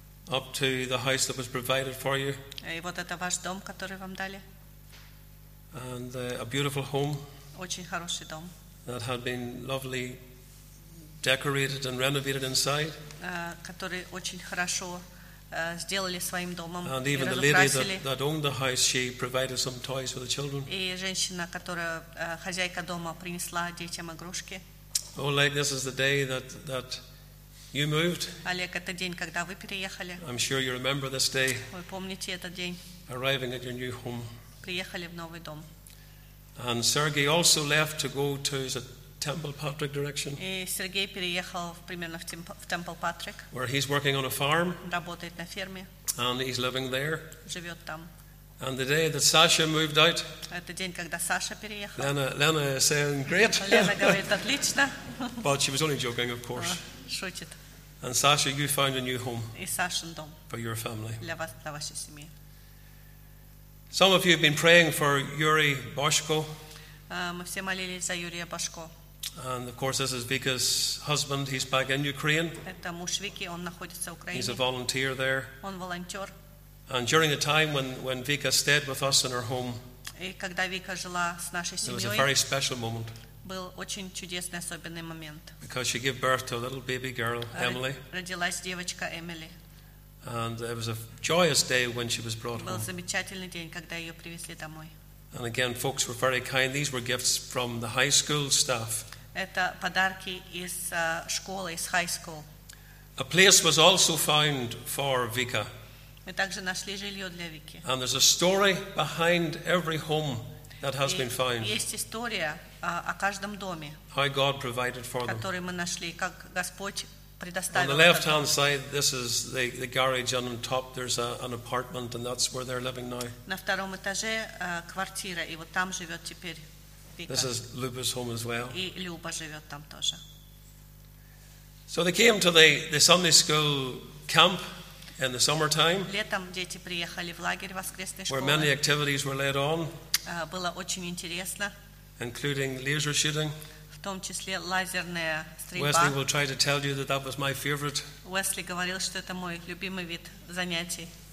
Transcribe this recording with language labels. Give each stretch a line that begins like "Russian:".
English: up to the house that was provided for you.
Russian: И вот это ваш дом, который вам дали.
English: And a beautiful home.
Russian: Очень хороший дом.
English: That had been lovely decorated and renovated inside.
Russian: Который очень хорошо сделали своим домом.
English: And even the lady that owned the house, she provided some toys for the children.
Russian: И женщина, которая хозяйка дома, принесла детям игрушки.
English: Oh, like this is the day that you moved.
Russian: Олег, это день, когда вы переехали.
English: I'm sure you remember this day.
Russian: Вы помните этот день.
English: Arriving at your new home.
Russian: Приехали в новый дом.
English: And Sergey also left to go to his Temple Patrick direction.
Russian: И Сергей переехал примерно в Temple Patrick.
English: Where he's working on a farm.
Russian: Работает на ферме.
English: And he's living there.
Russian: Живет там.
English: And the day that Sasha moved out.
Russian: Это день, когда Саша переехал.
English: Lena is saying great.
Russian: Лена говорит отлично.
English: But she was only joking, of course.
Russian: Шутит.
English: And Sasha, you found a new home.
Russian: И Сашин дом.
English: For your family.
Russian: Для вас, для вашей семьи.
English: Some of you have been praying for Yuri Boshko.
Russian: Мы все молились за Юрия Башко.
English: And of course, this is Vika's husband. He's back in Ukraine.
Russian: Это муж Вики, он находится в Украине.
English: He's a volunteer there.
Russian: Он волонтер.
English: And during the time when Vika stayed with us in her home,
Russian: и когда Вика жила с нашей семьей,
English: it was a very special moment.
Russian: Был очень чудесный, особенный момент.
English: Because she gave birth to a little baby girl, Emily.
Russian: Родилась девочка Эмили.
English: And it was a joyous day when she was brought
Russian: был
English: home.
Russian: Был замечательный день, когда ее привезли домой.
English: And again, folks were very kind. These were gifts from the high school staff.
Russian: Это подарки из школы, из high school.
English: A place was also found for Vika.
Russian: Мы также нашли жилье для Вики.
English: And there's a story behind every home that has
Russian: и
English: been found.
Russian: Есть история о каждом доме.
English: How God provided for them.
Russian: Который мы нашли, как Господь
English: on the left-hand side, this is the garage, and on top there's an apartment, and that's where they're living now.
Russian: На втором этаже квартира, и вот там живет теперь Вика.
English: This is Luba's home as well.
Russian: И Люба живет там тоже.
English: So they came to the Sunday school camp in the summertime.
Russian: Летом дети приехали в лагерь воскресной школы.
English: Where many activities were led on.
Russian: Было очень интересно.
English: Including laser shooting.
Russian: В том числе лазерная стрельба.
English: Wesley will try to tell you that that was my favorite.
Russian: Wesley говорил, что это мой любимый вид занятий.